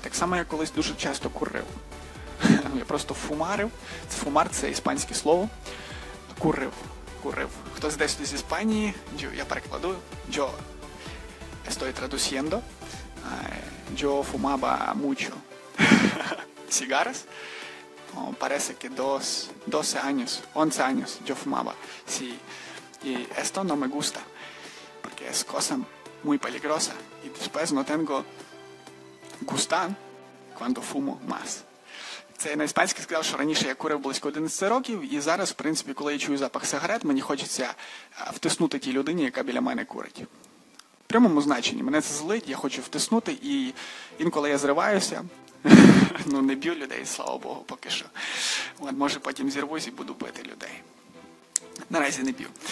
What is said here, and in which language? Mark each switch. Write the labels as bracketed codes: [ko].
[uk] Так само я колись дуже часто курив. Я просто фумарив, це фумар, це іспанське слово, курив. Хтось десь з Іспанії, я перекладу, [es] «Yo estoy traduciendo, yo fumaba mucho». [uk] Сигарес? [es] parece que 12 años, 11 años yo fumaba. Sí, y esto no me gusta, porque es cosa muy peligrosa. Y después no tengo gusto cuando fumo más. [uk] Це я на іспанській сказав, що раніше я курив близько 11 років, і зараз, в принципі, коли я чую запах сигарет, мені хочеться втиснути тій людині, яка біля мене курить. В прямому значенні. Мене це злить, я хочу втиснути, і інколи я зриваюся. Ну, не б'ю людей, слава Богу, поки що. От, може, потім зірвусь і буду бити людей. Наразі не б'ю.